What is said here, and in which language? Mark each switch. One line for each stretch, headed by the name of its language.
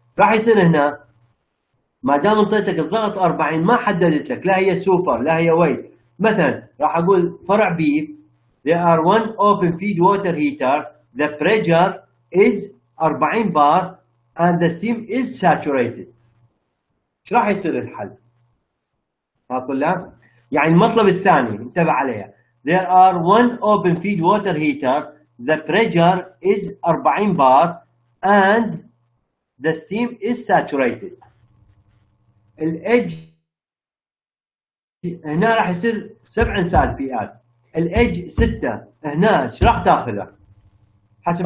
Arabic: راح يصير هنا ما دام انطيتك الضغط 40 ما حددت لك لا هي سوبر لا هي ويت، مثلا راح اقول فرع بي
English: there are one open feed water heater the pressure is 40 bar and the steam is saturated.
Arabic: ايش راح يصير الحل؟ طلاب. يعني المطلب الثاني انتبه عليها.
English: There are one open feed water heater. The pressure is 40 bar and the steam is saturated.
Arabic: ال edge هنا راح يصير 7 انتالبيات. ال edge 6 هنا ايش راح تاخذه؟ حسب